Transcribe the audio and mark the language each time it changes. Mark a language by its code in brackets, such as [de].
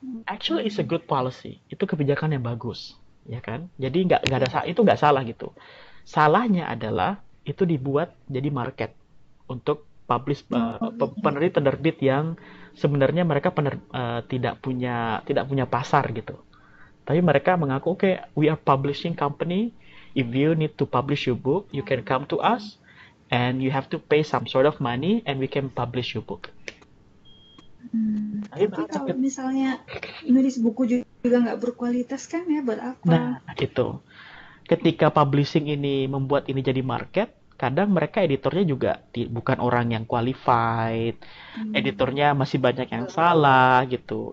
[en] Actually it's a good policy. [id] Itu kebijakan yang bagus, ya kan? Jadi nggak ada itu nggak salah gitu. Salahnya adalah itu dibuat jadi market untuk publish penerbit penerbit yang sebenarnya mereka tidak punya pasar gitu. Tapi mereka mengaku, oke, [en] okay, we are publishing company. If you need to publish your book, you can come to us and you have to pay some sort of money and we can publish your book. [id] Tapi Tapi kalau misalnya nulis buku juga nggak berkualitas kan ya, buat apa? Nah, itu. Ketika publishing ini membuat ini jadi market, kadang mereka editornya juga bukan orang yang qualified, editornya masih banyak yang salah gitu.